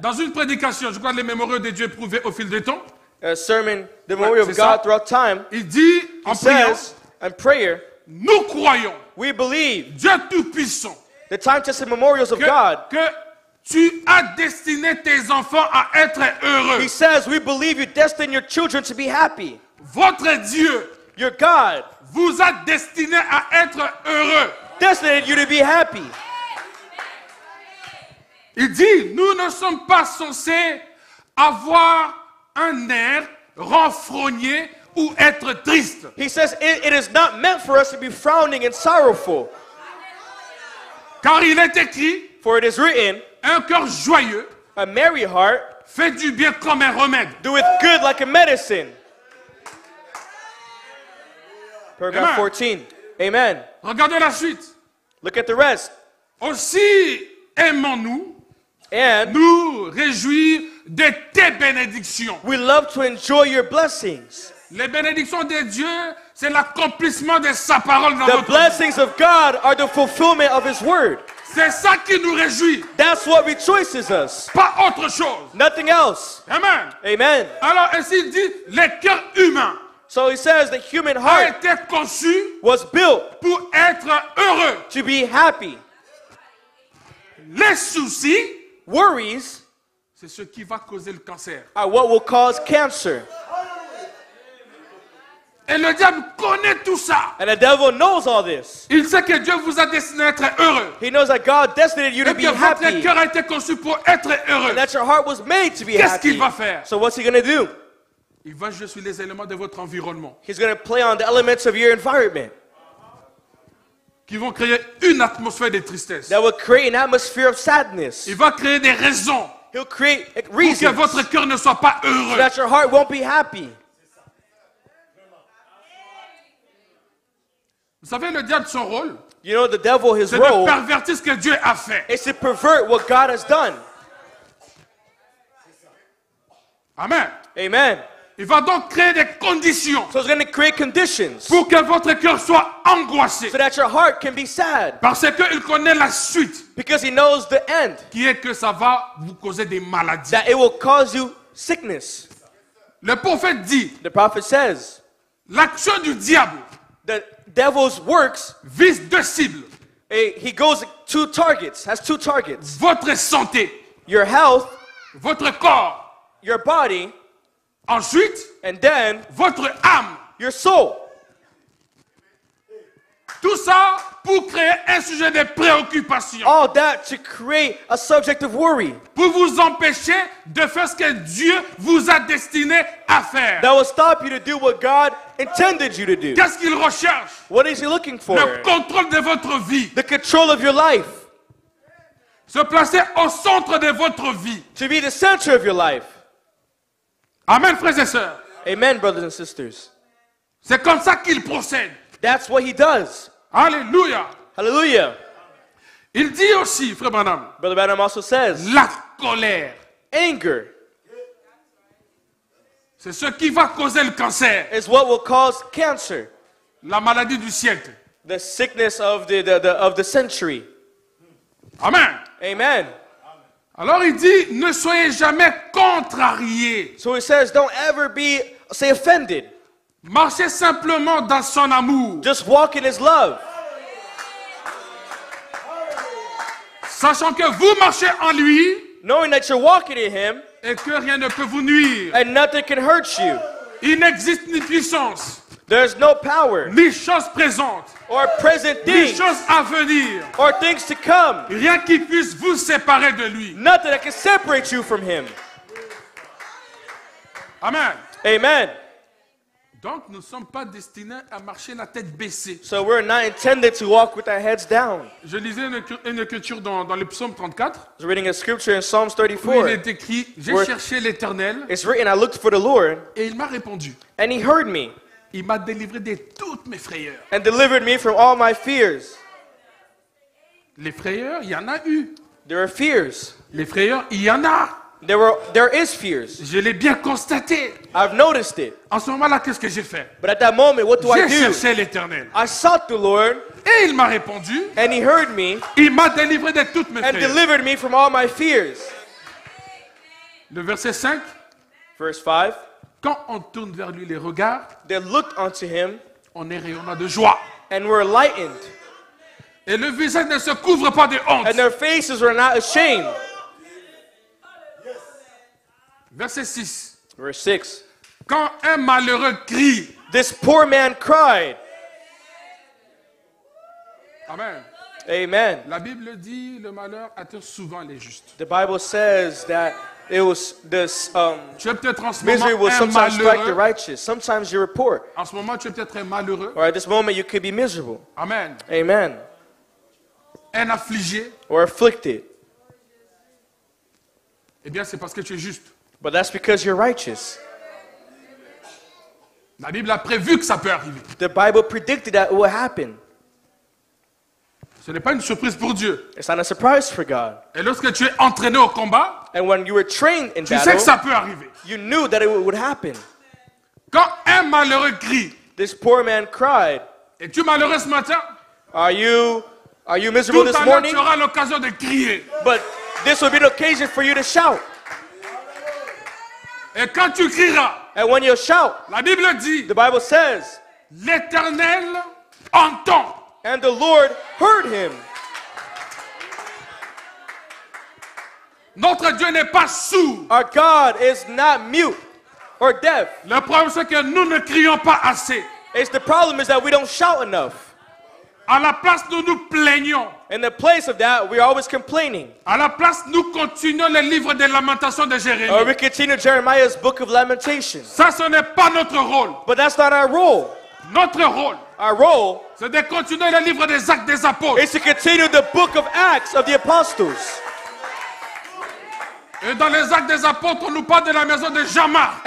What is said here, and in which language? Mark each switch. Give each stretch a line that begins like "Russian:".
French: Dans une prédication, je crois que les mémorieux de Dieu prouvés au fil des temps.
English: A sermon, the memory of God throughout time.
French: Il dit en prière,
English: in prayer,
French: nous croyons.
English: We believe.
French: Dieu tout puissant.
English: The time tested memorials of God.
French: Que tu as destiné tes enfants à être heureux.
English: He says, we believe you destined your children to be happy.
French: Votre Dieu.
English: Your God.
French: Vous a destiné à être heureux.
English: Destined you to be happy.
French: Il dit, nous ne sommes pas censés avoir un air renfrogné ou être triste.
English: He says, it is not meant for us to be frowning and sorrowful.
French: Car il est écrit,
English: for it is written,
French: un cœur joyeux,
English: a merry heart,
French: fait du bien comme un remède.
English: Do it good like a medicine. Paragraph 14. Amen.
French: Regardez la suite.
English: Look at the rest.
French: Aussi aimons-nous
English: and
French: nous réjouir de tes bénédictions.
English: We love to enjoy your blessings.
French: Les bénédictions de Dieu, c'est l'accomplissement de sa parole dans
English: the blessings
French: vie.
English: Of God are the fulfillment of his word.
French: C'est ça qui nous réjouit.
English: That's what rejoices us.
French: Pas autre chose.
English: Nothing else.
French: Amen.
English: Amen.
French: Alors ainsi dit les cœurs humains.
English: So he says the human heart
French: a été conçu
English: was built
French: pour être heureux.
English: To be happy.
French: Les soucis,
English: worries,
French: c'est ce qui va causer le cancer.
English: Are what will cause cancer.
French: Et le diable connaît tout ça.
English: And the devil knows all this.
French: Il sait que Dieu vous a destiné à être heureux.
English: He knows that God destined you
French: et
English: to be happy.
French: Et que votre cœur a été conçu pour être heureux.
English: And that your heart was made to be
French: qu'est-ce
English: happy.
French: Qu'est-ce qu'il va faire?
English: So what's he going to do?
French: Il va jouer sur les éléments de votre environnement.
English: He's going to play on the elements of your environment.
French: Qui vont créer une atmosphère de tristesse.
English: That will create an atmosphere of sadness.
French: Il va créer des raisons.
English: He'll create reasons.
French: Pour que votre cœur ne soit pas heureux.
English: So that your heart won't be happy.
French: Vous savez le diable son rôle?
English: You know the devil his
French: c'est
English: role.
French: C'est de pervertir ce que Dieu a fait.
English: It's to pervert what God has done.
French: Amen.
English: Amen.
French: Il va donc créer des conditions.
English: So he's going to create conditions.
French: Pour que votre cœur soit angoissé.
English: So that your heart can be sad.
French: Parce qu'il connaît la suite.
English: Because he knows the end.
French: Qui est que ça va vous causer des maladies.
English: That it will cause you sickness.
French: Le prophète dit.
English: The prophet says.
French: L'action du diable.
English: The devil's works.
French: Vise deux cibles.
English: He goes two targets. Has two targets.
French: Votre santé.
English: Your health.
French: Votre corps.
English: Your body.
French: Ensuite,
English: and then,
French: votre âme,
English: your soul.
French: Tout ça pour créer un sujet de préoccupation.
English: All that to create a subject of worry.
French: Pour vous empêcher de faire ce que Dieu vous a destiné à faire.
English: That will stop you to do what God intended you to do.
French: Qu'est-ce qu'il recherche?
English: What is he looking for?
French: Le contrôle de votre vie.
English: The control of your life.
French: Se placer au centre de votre vie.
English: To be the center of your life.
French: Amen, frères et sœurs.
English: Amen, brothers and sisters.
French: C'est comme ça qu'il procède.
English: That's what he does.
French: Alléluia.
English: Alléluia.
French: Il dit aussi, frère Branham.
English: Brother Branham also says.
French: La colère.
English: Anger.
French: C'est ce qui va causer le cancer.
English: Is what will cause cancer.
French: La maladie du siècle.
English: The sickness of the century.
French: Amen.
English: Amen.
French: Alors il dit, ne soyez jamais contrariés.
English: So he says, don't ever be, say offended.
French: Marchez simplement dans son amour.
English: Just walk in his love.
French: Sachant que vous marchez en lui.
English: Knowing that you're walking in him.
French: Et que rien ne peut vous nuire.
English: And nothing can hurt you.
French: Il n'existe ni puissance.
English: There's no power.
French: Ni chose présente.
English: Or present things.
French: Ni chose à venir.
English: Or things to come.
French: Rien qui puisse vous séparer de lui.
English: Nothing that can separate you from him.
French: Amen.
English: Amen.
French: Donc nous ne sommes pas destinés à marcher la tête baissée.
English: So we're not intended to walk with our heads down.
French: Je lisais une écriture dans le psaume 34.
English: I was reading a scripture in Psalms 34.
French: Où il est écrit, j'ai cherché l'Éternel.
English: It's written, I looked for the Lord.
French: Et il m'a répondu.
English: And he heard me.
French: Il m'a délivré de toutes mes frayeurs.
English: And delivered me from all my fears.
French: Les frayeurs, il y en a eu.
English: There are fears.
French: Les frayeurs, il y en a.
English: There is fears.
French: Je l'ai bien constaté.
English: I've noticed it.
French: En ce moment-là, qu'est-ce que j'ai fait?
English: But at that moment, what do
French: j'ai
English: I do?
French: J'ai cherché l'Éternel.
English: I sought the Lord.
French: Et il m'a répondu.
English: And he heard me.
French: Il m'a délivré de toutes mes
English: and
French: frayeurs.
English: And delivered me from all my fears.
French: Le verset 5.
English: Verse 5.
French: Quand on tourne vers lui les regards,
English: they look unto him,
French: on est rayonnant de joie.
English: And we're lightened.
French: Et le visage ne se couvre pas de honte.
English: And their faces are not ashamed.
French: Verset 6.
English: Verse 6.
French: Quand un malheureux crie,
English: this poor man cried.
French: Amen.
English: Amen.
French: La Bible dit le malheur atteint souvent les justes.
English: The Bible says that it was this misery will sometimes strike the righteous. Sometimes you're poor.
French: En ce moment, tu es peut-être malheureux.
English: Or at this moment, you could be miserable.
French: Amen.
English: Amen.
French: Un affligé.
English: Or afflicted.
French: Eh bien, c'est parce que tu es juste.
English: But that's because you're righteous.
French: La Bible a prévu que ça peut arriver.
English: The Bible predicted that it will happen.
French: Ce n'est pas une surprise pour Dieu.
English: It's not a surprise for God.
French: Et lorsque tu es entraîné au combat,
English: and when you were trained in
French: tu
English: battle,
French: sais que ça peut arriver.
English: You knew that it would happen.
French: Quand un malheureux crie,
English: this poor man cried.
French: Es-tu malheureux ce matin?
English: Are you miserable
French: tout
English: this morning?
French: Tu auras l'occasion de crier.
English: But this will be an occasion for you to shout.
French: Et quand tu crieras,
English: and when you shout,
French: la Bible dit,
English: the Bible says,
French: l'Éternel entend.
English: And the Lord heard him.
French: Notre Dieu n'est pas sourd.
English: Our God is not mute or deaf.
French: Le problème c'est que nous ne crions pas assez.
English: It's the problem is that we don't shout enough.
French: À la place nous nous plaignons.
English: In the place of that, we're always complaining.
French: À la place, nous continuons le livre des lamentations de Jérémie.
English: Or we continue Jeremiah's book of lamentations.
French: Ça, ce n'est pas notre rôle.
English: But that's not our role.
French: Notre rôle.
English: Our role.
French: C'est de continuer le livre des Actes des Apôtres.
English: It's to continue the book of Acts of the Apostles.
French: Et dans les Actes des Apôtres, on nous parle de la maison de Jean-Marc.